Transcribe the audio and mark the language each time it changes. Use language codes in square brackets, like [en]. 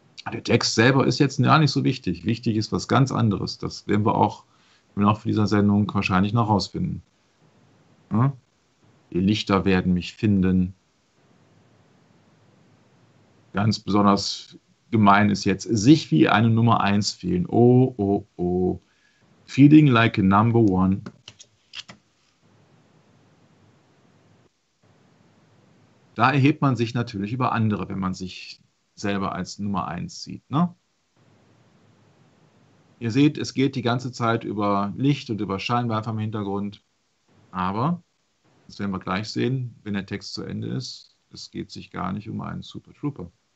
[de] Der Text selber ist jetzt gar nicht so wichtig. Wichtig ist was ganz anderes. Das werden wir auch im Laufe dieser Sendung wahrscheinlich noch rausfinden. Die Lichter werden mich finden. Ganz besonders gemein ist jetzt, sich wie eine Nummer 1 fühlen. Oh, oh, oh. [en] Feeling like a number one. [de] Da erhebt man sich natürlich über andere, wenn man sich selber als Nummer 1 sieht. Ne? Ihr seht, es geht die ganze Zeit über Licht und über Scheinwerfer im Hintergrund. Aber, das werden wir gleich sehen, wenn der Text zu Ende ist, es geht sich gar nicht um einen Super Trooper.